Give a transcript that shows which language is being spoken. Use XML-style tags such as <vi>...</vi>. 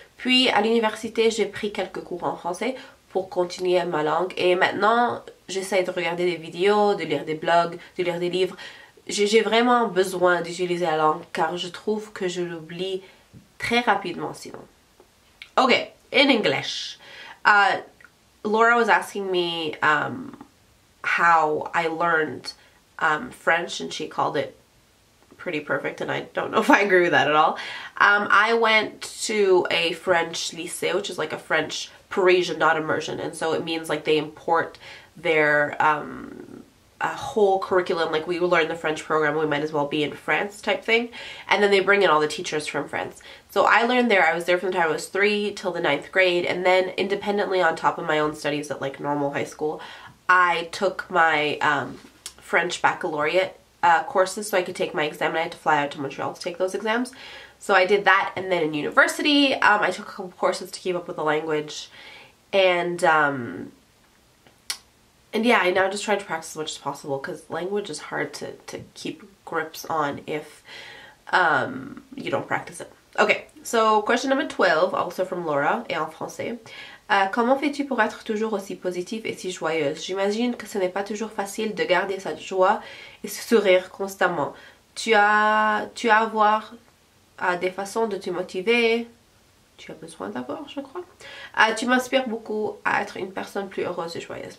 <fr>Puis à l'université, j'ai pris quelques cours en français pour continuer ma langue. Et maintenant, j'essaie de regarder des vidéos, de lire des blogs, de lire des livres. J'ai vraiment besoin d'utiliser la langue car je trouve que je l'oublie très rapidement sinon.</fr> <en>Ok, in English. Laura was asking me how I learned French, and she called it pretty perfect, and I don't know if I agree with that at all. I went to a French lycée, which is like a French Parisian, not immersion, and so it means like they import their a whole curriculum, like we learn the French program, we might as well be in France type thing, and then they bring in all the teachers from France. So I learned there, I was there from the time I was 3 till the 9th grade, and then independently on top of my own studies at like normal high school, I took my French baccalaureate courses so I could take my exam, and I had to fly out to Montreal to take those exams. So I did that, and then in university, I took a couple courses to keep up with the language, and yeah, I now just try to practice as much as possible, because language is hard to keep grips on if you don't practice it. Okay, so question number 12, also from Laura,</en> <fr>et en français. Comment fais-tu pour être toujours aussi positive et si joyeuse? J'imagine que ce n'est pas toujours facile de garder sa joie et ce sourire constamment. Tu as des façons de te motiver. Tu as besoin d'avoir, je crois. Tu m'inspires beaucoup à être une personne plus heureuse et joyeuse.</fr>